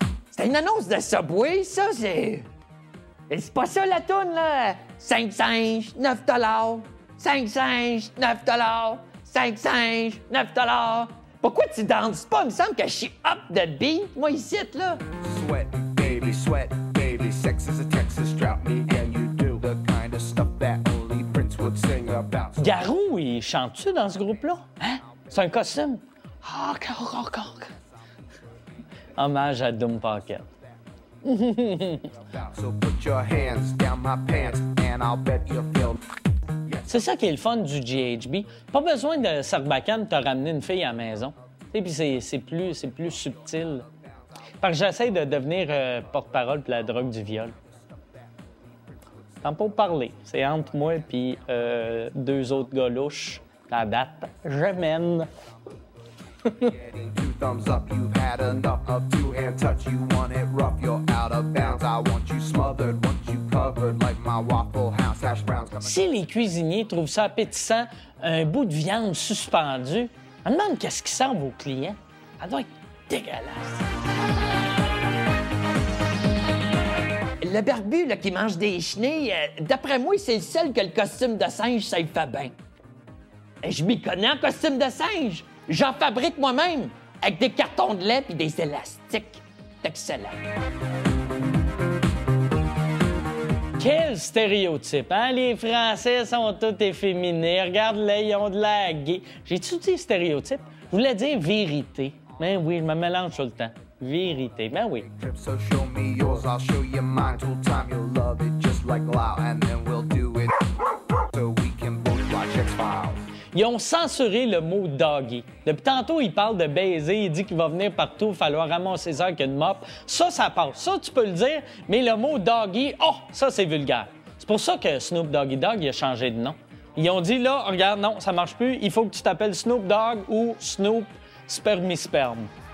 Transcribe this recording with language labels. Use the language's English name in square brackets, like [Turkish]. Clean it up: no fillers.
[French] C'est une annonce de Subway, ça, c'est... Et c'est pas ça, la toune, là! 5 singes, 9 $! 5 singes, 9 $! 5 singes, 9 $! Pourquoi tu danses pas? Il me semble que je suis [English] up the beat, [French] moi, ici, là! [English] Sweat, baby, sex is a Texas drought. Me and you do the kind of stuff that only Prince would sing about. [French] Garou, il chante-tu dans ce groupe-là? Hein? C'est un costume? Ah, oh, cork, cork, cork! Hommage à Doom Pocket. [English] So put your hands down my pants and I'll bet you feel. [French] C'est ça qui est le fun du GHB. Pas besoin de sarbacane pour te ramener une fille à la maison. Et puis c'est plus subtil. Parce que j'essaie de devenir porte-parole pour la drogue du viol. Tant pour parler. C'est entre moi et deux autres gars louches. La date, je mène. [English] Thumbs up, you've had enough of two hand touch. You want it rough, you're out of bounds. I want you smothered, want you covered like my waffle house hash browns. [French] Si les cuisiniers trouvent ça appétissant, un bout de viande suspendu, on demande qu'est-ce qu'ils servent aux clients. Ça doit être dégueulasse. Le barbu là, qui mange des chenilles, d'après moi, c'est le seul que le costume de singe, ça y fait bien. Et je m'y connais en costume de singe. J'en fabrique moi-même. Avec des cartons de lait et des élastiques. Excellent. Quel stéréotype, hein? Les Français sont tous efféminés. Regarde-les, ils ont de la gay. J'ai-tu dit stéréotype? Je voulais dire vérité. Ben oui, je me mélange tout le temps. Vérité, ben oui. [English] So show me yours, I'll show you mine. [French] Tout le temps, [English] you'll love it just like Lau. And then we'll do it so we can both watch X-Files. [French] Ils ont censuré le mot « doggy ». Depuis tantôt, il parle de baiser, il dit qu'il va venir partout, falloir ramasser ça avec une mop. Ça, ça passe. Ça, tu peux le dire, mais le mot « doggy », oh, ça, c'est vulgaire. C'est pour ça que Snoop Doggy Dogg, il a changé de nom. Ils ont dit, là, regarde, non, ça marche plus, il faut que tu t'appelles Snoop Dogg ou Snoop Spermisperme.